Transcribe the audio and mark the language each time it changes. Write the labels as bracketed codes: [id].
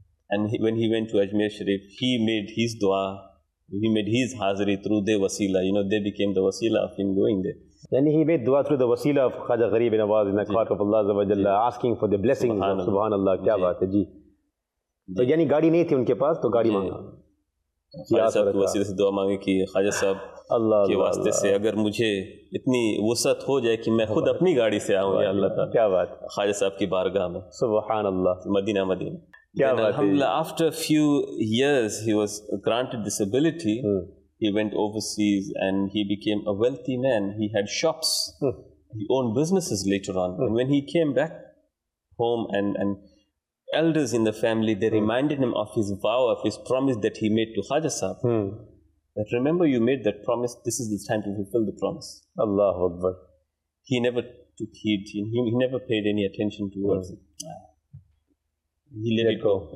[en] And when he went to Ajmer Sharif, he made his dua, he made his hazri through their wasila. You know, they became the wasila of him going there. Then he made dua through the wasila of Khaja Ghareeb Nawaz in the court of Allah, asking for the blessings of Subhanallah. [hi] Kya baat hai, ji. So, yani gaadi nahi thi unke paas, to gaadi manga. खाजा साहब को वसीले से दुआ मांगे कि खाजा साहब अल्लाह के वास्ते से अगर मुझे इतनी वसत हो जाए कि मैं खुद अपनी गाड़ी से आऊँ, या अल्लाह ताला, क्या बात, खाजा साहब की बारगाह में सुभान अल्लाह, मदीना मदीना, क्या बात है. [en] अल्हम्दुलिल्लाह, after few years he was granted this ability, he went overseas and he became a wealthy man, he had shops, he own businesses later on. And when he came back home and elders in the family, they reminded him of his vow, of his promise that he made to Khaja Sahab. That remember, you made that promise, this is the time to fulfill the promise. [ar] Allahu Akbar. [en] He never took heed, he never paid any attention towards it. He let it go.